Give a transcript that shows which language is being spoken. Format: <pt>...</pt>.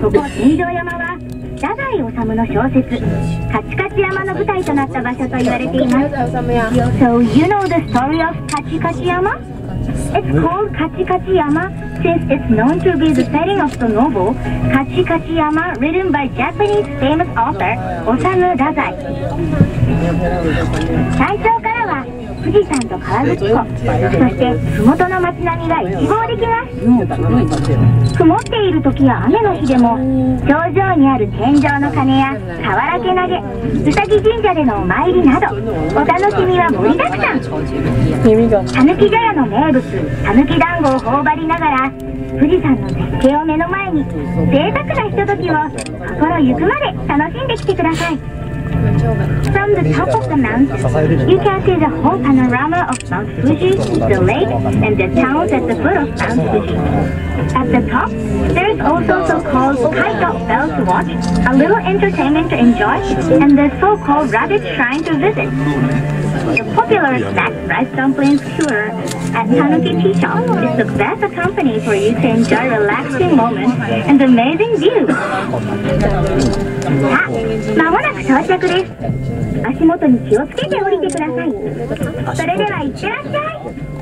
<ja>ここ天井山は太宰治の小説カチカチ山の舞台となった場所と言われています。</ja> <en>So you know the story of カチカチ山? It's called カチカチ山 since it's known to be the setting of the novel カチカチ山 written by Japanese famous author 治太宰。</en> <ja>最初からは富士山と河口湖、そして麓の町並みが一望できます。曇っている時や雨の日でも頂上にある天井の鐘や瓦毛投げ、うさぎ神社でのお参りなどお楽しみは盛りだくさん。たぬき茶屋の名物たぬき団子を頬張りながら富士山の絶景を目の前に贅沢なひとときを心ゆくまで楽しんできてください。</ja> <en>From the top of the mountain, you can see the whole panorama of Mount Fuji, the lake, and the towns at the foot of Mount Fuji. At the top, there is also so-called Kaito Bell to watch, a little entertainment to enjoy, and the so-called Rabbit Shrine to visit. The popular snack rice dumplings tour at Tanuki Tea Shop is the best company for you to enjoy relaxing moments and amazing views.</en> <ja>さあ、まもなく到着です。足元に気をつけて降りてください。それでは行ってらっしゃい。</ja>